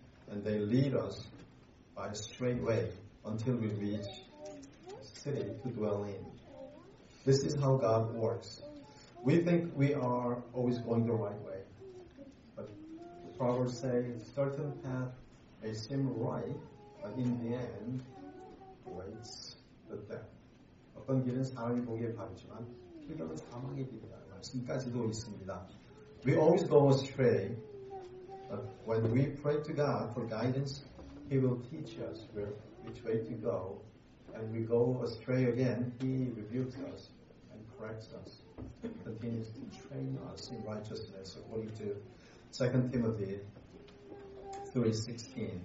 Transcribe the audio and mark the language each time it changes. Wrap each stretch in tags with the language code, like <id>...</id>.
<en>and they lead us by a straight way until we reach city to dwell in. This is how God works. We think we are always going the right way, but the Proverbs say a certain path may seem right, but in the end, waits the death.</en> <ko>어떤 길은 사망의 복에 바르지만 필경은 사망의 길이다. 말씀까지도 있습니다.</ko> <en>We always go astray, but when we pray to God for guidance, He will teach us which way to go. And we go astray again, He rebukes us and corrects us. Continues to train us in righteousness according to 2 Timothy 3:16.</en>